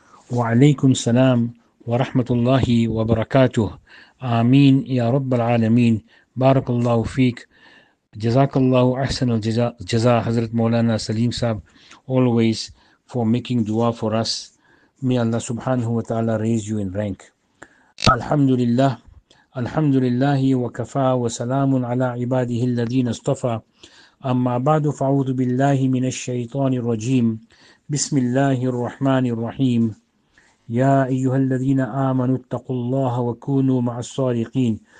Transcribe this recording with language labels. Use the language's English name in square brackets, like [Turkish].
[Arabic] وعليكم السلام ورحمة الله وبركاته. آمين يا رب العالمين. بارك الله فيك، جزاك الله أحسن الجزاء. [English] حضرة مولانا سليم صاحب، always for making dua for us. May Allah subhanahu wa ta'ala raise you in rank. [Arabic] الحمد لله، الحمد لله وكفى، وسلام على عباده الذين اصطفى. أما بعد، فأعوذ بالله من الشيطان الرجيم، بسم الله الرحمن الرحيم. يا أيها الذين آمنوا اتقوا الله وكونوا مع الصادقين.